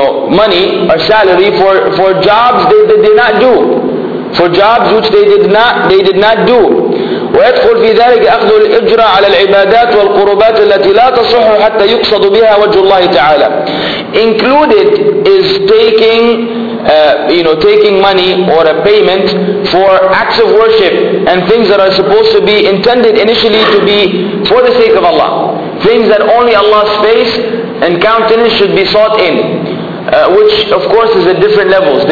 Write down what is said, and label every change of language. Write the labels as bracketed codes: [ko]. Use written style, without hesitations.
[en] money or salary for jobs they did not do, for jobs which they did not do. [ar] ويدخل في ذلك أخذ الإجرة على العبادات والقربات التي لا تصح حتى يقصد بها وجه الله تعالى. [en] Included is taking taking money or a payment for acts of worship and things that are supposed to be intended initially to be for the sake of Allah, things that only Allah's face and countenance should be sought in, which of course is at different levels.